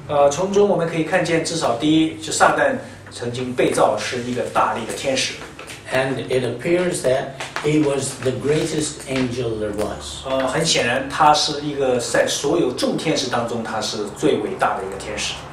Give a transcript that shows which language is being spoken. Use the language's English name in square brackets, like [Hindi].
[Chinese] 从中我们可以看见，至少第一，就撒旦曾经被造是一个大力的天使。 [English] And it appears that he was the greatest angel there was. [Chinese] 很显然，他是一个在所有众天使当中，他是最伟大的一个天使。